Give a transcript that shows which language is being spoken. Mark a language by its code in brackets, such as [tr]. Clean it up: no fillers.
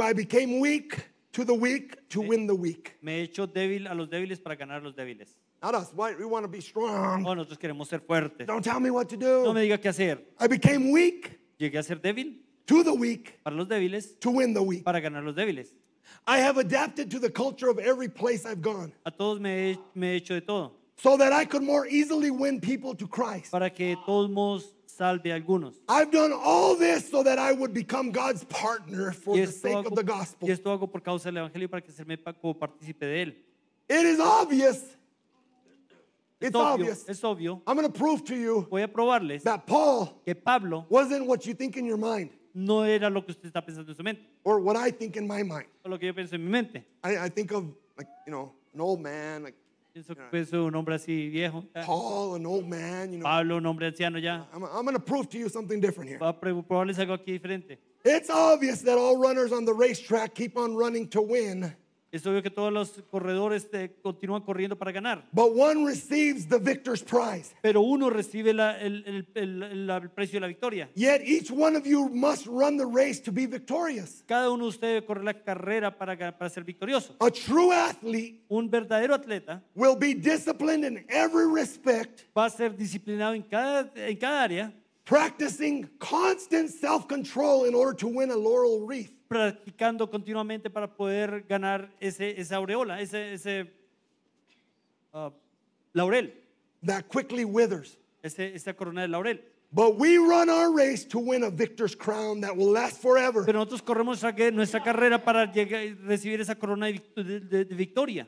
[en] I became weak to the weak to win the weak. [es] Me he hecho débil a los débiles para ganar a los débiles. [en] Not us. Why? We want to be strong. [es] Oh, nosotros queremos ser fuertes. [en] Don't tell me what to do. [es] No me diga qué hacer. [en] I became weak. [es] Llegué a ser débil. [en] To the weak. [es] Para los débiles. [en] To win the weak. [es] Para ganar los débiles. [en] I have adapted to the culture of every place I've gone. [es] A todos me he hecho de todo. [en] So that I could more easily win people to Christ. [es] Para que todos modos salve algunos. [en] I've done all this so that I would become God's partner for the sake [es] hago, [en] of the gospel. [es] Y esto hago por causa del evangelio para que se me copartícipe de él. [en] It is obvious. It's [es] obvio, [en] obvious. [es] Es obvio. [en] I'm going to prove to you. [es] Voy a probarles [en] that Paul [es] que Pablo [en] wasn't what you think in your mind. [es] No era lo que usted está pensando en su mente. [en] Or what I think in my mind. [es] O lo que yo pienso en mi mente. [en] I think of like, you know, an old man like [es] pienso un hombre así viejo. [en] Paul, an old man, you know. [es] Pablo, un hombre anciano ya. [en] I'm going to prove to you something different here. [es] Va a probarles algo aquí diferente. [en] It's obvious that all runners on the racetrack keep on running to win. [es] Es obvio que todos los corredores continúan corriendo para ganar. [en] But one receives the victor's prize. [es] Pero uno recibe el precio de la victoria. [en] Yet each one of you must run the race to be victorious. [es] Cada uno de ustedes corre la carrera para ser victorioso. [en] A true athlete, [es] un verdadero atleta, [en] will be disciplined in every respect. [es] Va a ser disciplinado en cada área. [en] Practicing constant self-control in order to win a laurel wreath. [es] Practicando continuamente para poder ganar esa aureola, ese laurel. [en] That quickly withers. [es] Esa corona de laurel. [en] But we run our race to win a victor's crown that will last forever. [es] Pero nosotros corremos nuestra carrera para recibir esa corona de victoria.